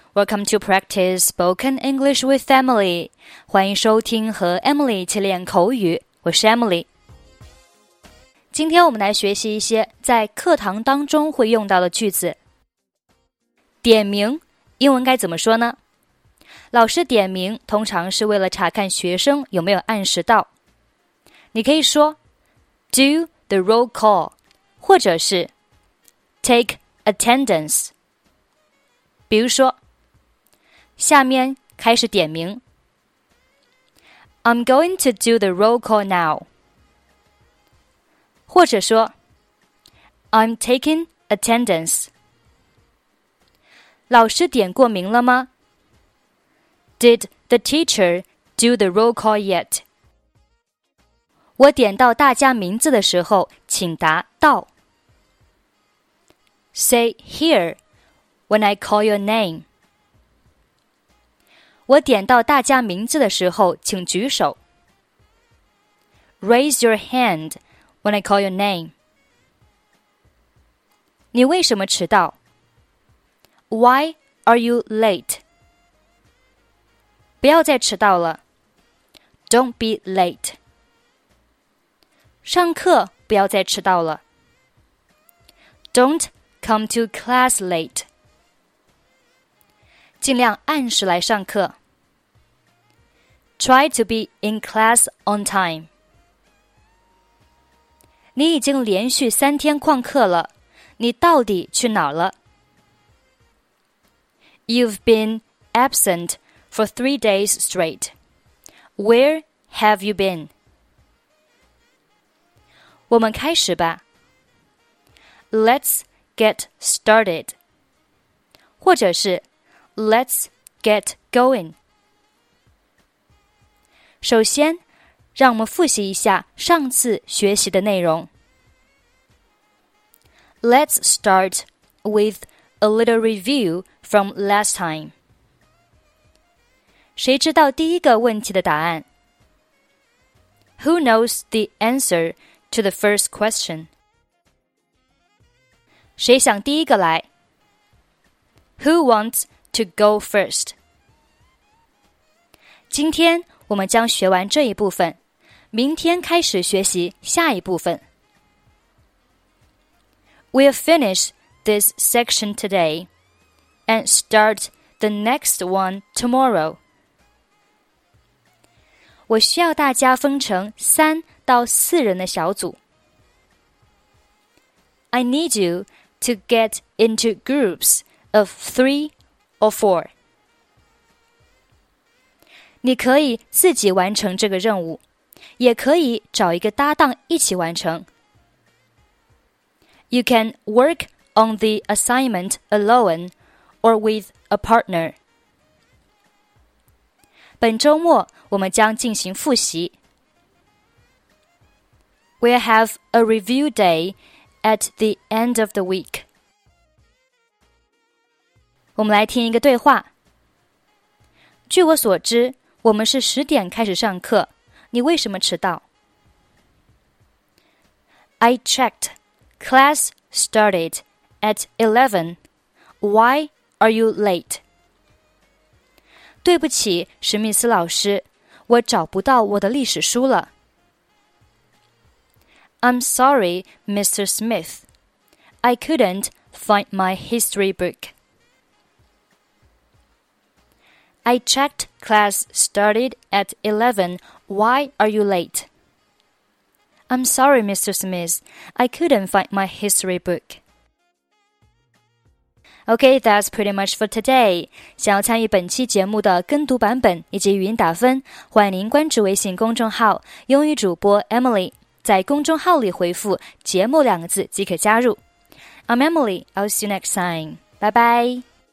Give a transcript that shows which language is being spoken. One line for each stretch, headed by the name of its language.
English: Welcome to practice spoken English with Emily.
Chinese: 欢迎收听和 Emily 一起练口语。我是 Emily。今天我们来学习一些在课堂当中会用到的句子。点名，英文该怎么说呢？老师点名通常是为了查看学生有没有按时到。你可以说
English: Do the roll call,
Chinese: 或者是
English: Take attendance。
Chinese: 比如说，下面开始点名。
English: I'm going to do the roll call now.
Chinese: 或者说
English: I'm taking attendance.
Chinese: 老师点过名了吗？
English: Did the teacher do the roll call yet?
Chinese: 我点到大家名字的时候，请答到。
English: Say here. When I call your name.
Chinese: 我点到大家名字的时候请举手。
English: Raise your hand when I call your name.
Chinese: 你为什么迟到?
English: Why are you late?
Chinese: 不要再迟到了。
English: Don't be late.
Chinese: 上课不要再迟到了。
English: Don't come to class late.
Chinese: 尽量按时来上课。
English: Try to be in class on time.
Chinese: 你已经连续三天旷课了，你到底去哪儿了？
English: You've been absent for 3 days straight. Where have you been?
Chinese: 我们开始吧。
English: Let's get started.
Chinese: 或者是
English: Let's get going.
Chinese: 首先，让我们复习一下上次学习的内容。
English: Let's start with a little review from last time.
Chinese: 谁知道第一个问题的答案？
English: Who knows the answer to the first question?
Chinese: 谁想第一个来？
English: Who wants to go first.
Chinese: 今天我们将学完这一部分，明天开始学习下一部分。
English: We'll finish this section today and start the next one tomorrow.
Chinese: 我需要大家分成3到4人的小组。
English: I need you to get into groups of 3 or 4.
Chinese: 你可以自己完成这个任务，也可以找一个搭档一起完成。
English: You can work on the assignment alone or with a partner.
Chinese: 本周末我们将进行复习。
English: We'll have a review day at the end of the week.
Chinese: 我们来听一个对话。据我所知，我们是10点开始上课，你为什么迟到？
English: I checked. Class started at 11. Why are you late?
Chinese: 对不起，史密斯老师，我找不到我的历史书了。
English: I'm sorry, Mr. Smith. I couldn't find my history book. I checked class started at 11. Why are you late? I'm sorry, Mr. Smith. I couldn't find my history book. Okay, that's pretty much for today.
Chinese: 想要参与本期节目的跟读版本以及语音打分，欢迎您关注微信公众号英语主播 Emily. 在公众号里回复节目两个字即可加入。
English: I'm Emily. I'll see you next time. Bye bye.